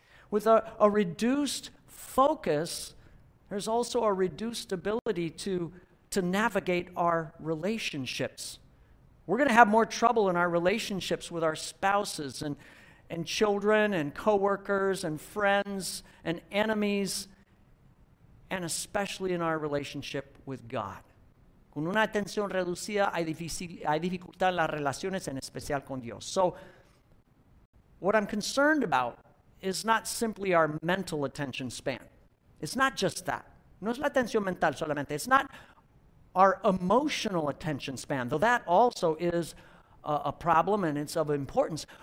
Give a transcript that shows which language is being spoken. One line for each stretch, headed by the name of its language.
English: With a reduced focus, there's also a reduced ability to navigate our relationships. We're going to have more trouble in our relationships with our spouses and children and coworkers and friends and enemies, and especially in our relationship with God.
Spanish: Con una atención reducida hay dificultad en las relaciones, en especial con Dios.
English: So what I'm concerned about is not simply our mental attention span. It's not just that.
Spanish: No es la atención mental solamente.
English: It's not our emotional attention span, though that also is a problem and it's of importance.